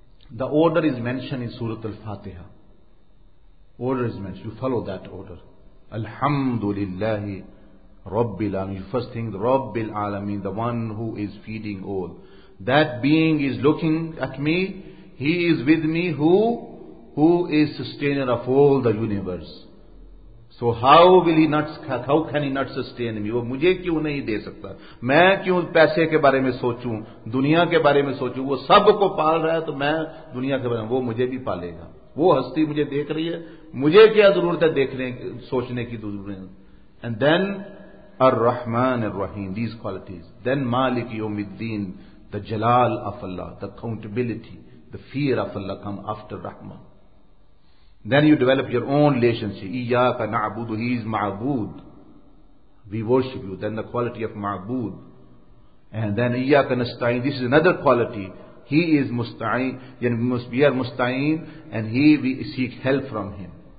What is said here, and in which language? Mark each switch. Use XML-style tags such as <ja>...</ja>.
<en>The order is mentioned in Surah Al-Fatiha. Order is mentioned. You follow that order. Alhamdulillahi Rabbil Alameen. You first think Rabbil Alameen, the one who is feeding all. That being is looking at me. He is with me. Who is sustainer of all the universe. So how will he not, how can he not sustain me?</en> <ur>وہ مجھے کیوں نہیں دے سکتا, میں کیوں پیسے کے بارے میں سوچوں, دنیا کے بارے میں سوچوں, وہ سب کو پال رہا ہے تو میں دنیا کے بارے میں, وہ مجھے بھی پالے گا, وہ ہستی مجھے دیکھ رہی ہے, مجھے کیا ضرورت ہے دیکھنے سوچنے کی ضرورت.</ur> <en>And then الرحمن الرحیم these qualities, then مالک یوم الدین دا جلال of Allah, the accountability, the fear of Allah come after رحمان. Then you develop your own relationship. Iyaka na'budu, he is ma'bud. We worship you. Then the quality of ma'bud. And then Iyaka nasta'in, this is another quality. He is musta'in, we are musta'in, and we seek help from him.</en>